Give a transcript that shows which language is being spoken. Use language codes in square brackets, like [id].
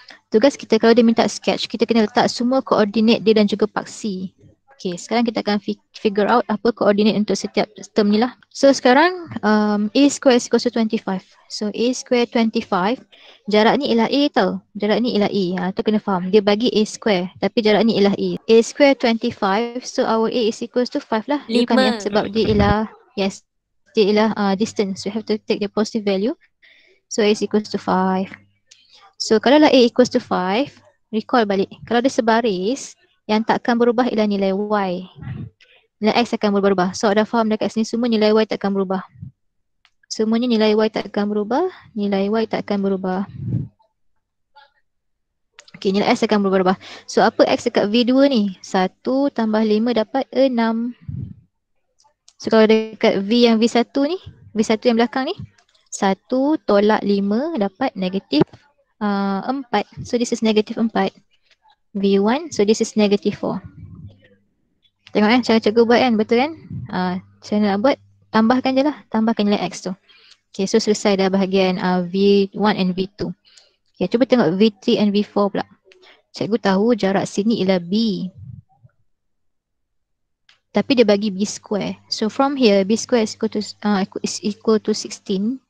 [ms] Tugas kita kalau dia minta sketch, kita kena letak semua koordinat dia dan juga paksi. Okay, sekarang kita akan [en] figure out [ms] apa koordinat untuk setiap term ni lah. [en] So [ms] sekarang [en] A square is equal to 25. [ms] So A square 25, jarak ni ialah A tau. Jarak ni ialah A. Ha, tu kena faham. Dia bagi A square tapi jarak ni ialah A. [en] A square 25, so our A is equal to 5 lah. 5. [ms] Kami, sebab dia ialah, yes, dia ialah distance. [en] We have to take the positive value. So A is equal to 5. So [ms] kalau lah [en] A equal to 5, recall [ms] balik. Kalau dia sebaris, yang takkan berubah ialah nilai Y. Nilai X akan berubah. So dah faham dekat sini semua nilai Y takkan berubah. Semuanya nilai Y takkan berubah. Nilai Y takkan berubah. Okay, nilai X akan berubah. So apa X dekat V2 ni? 1 tambah 5 dapat 6. So kalau dekat V yang V1 ni, V1 yang belakang ni, 1 tolak 5 dapat negatif 4. [en] So this is [ms] negatif [en] 4. V1, so this is negative 4. [ms] Tengok kan, cara cikgu buat kan, betul kan? Macam mana nak buat? Tambahkan je lah, tambahkan nilai X tu. Okay, so selesai dah bahagian V1 and V2. Okay, cuba tengok V3 and V4 pula. Cikgu tahu jarak sini ialah B. Tapi dia bagi B square. [en] So from here, B square is equal to, is equal to 16.